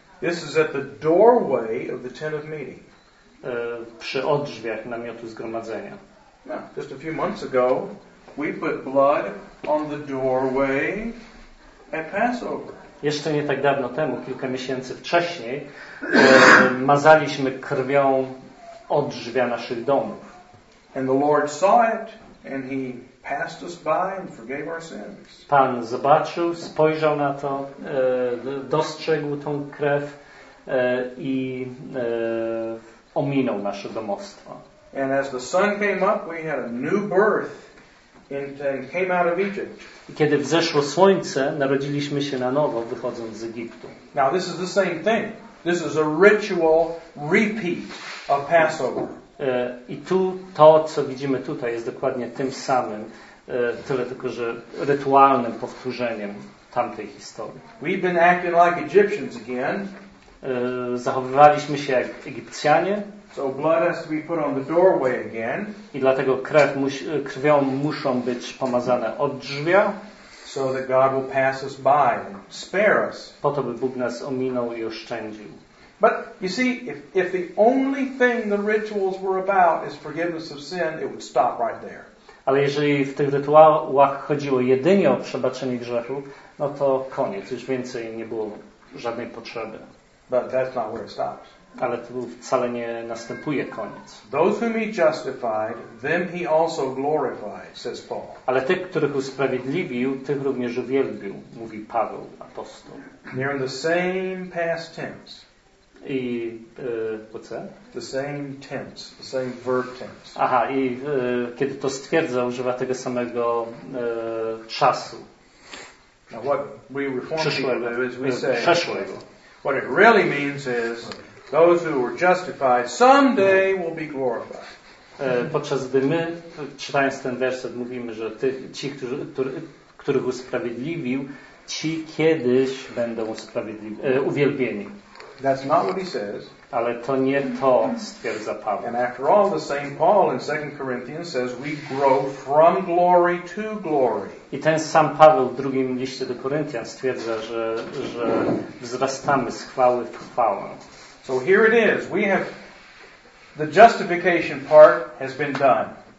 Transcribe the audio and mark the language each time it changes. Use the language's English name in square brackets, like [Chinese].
[English] This is at the doorway of the tent of meeting. [Polish] Przy oddrzwiach namiotu zgromadzenia. [English] Yeah, just a few months ago, we put blood on the doorway at Passover. [Polish] Jeszcze nie tak dawno temu, kilka miesięcy wcześniej, mazaliśmy krwią oddrzwia naszych domów. [English] And the Lord saw it, and He passed us by and forgave our sins. [Polish] Pan zobaczył, spojrzał na to, dostrzegł tą krew i ominął nasze domostwo. [English] And as the sun came up, we had a new birth and came out of Egypt. [Polish] I kiedy wzeszło słońce, narodziliśmy się na nowo, wychodząc z Egiptu. [English] Now this is the same thing. This is a ritual repeat of Passover. [Polish] I tu to, co widzimy tutaj, jest dokładnie tym samym, tyle tylko, że rytualnym powtórzeniem tamtej historii. [English] We've been acting like Egyptians again. [Polish] Zachowywaliśmy się jak Egipcjanie. [English] So blood has to be put on the doorway again. [Polish] I dlatego krwią muszą być pomazane od drzwia. [English] So that God will pass us by and spare us. [Polish] Po to, by Bóg nas ominął i oszczędził. [English] But you see, if the only thing the rituals were about is forgiveness of sin, it would stop right there. [Polish] Ale jeżeli w tych rytuałach chodziło jedynie o przebaczenie grzechu, no to koniec, już więcej nie było żadnej potrzeby. [English] But that's not where it stops. [Polish] Ale tu wcale nie następuje koniec. [English] Those whom He justified, them He also glorified, says Paul. [Polish] Ale tych, których usprawiedliwił, tych również uwielbił, mówi Paweł, apostoł. [English] They're in the same past tense. I what's that? The same tense, the same verb tense. [Polish] Aha, i kiedy to stwierdza, używa tego samego czasu. [English] Now what we reform people do is we say [Polish] przeszłego. [English] What it really means is those who were justified someday will be glorified. [Polish] Podczas gdy my, czytając ten werset, mówimy, że ci, których usprawiedliwił, ci kiedyś będą uwielbieni. [English] That's not what he says. [Polish] Ale to nie to stwierdza Paweł. [English] And after all, the same Paul in 2 Corinthians says we grow from glory to glory. [Polish] I ten sam Paweł w drugim liście do Koryntian stwierdza, że wzrastamy z chwały w chwałę. [English] So here it is. We have the justification part has been done.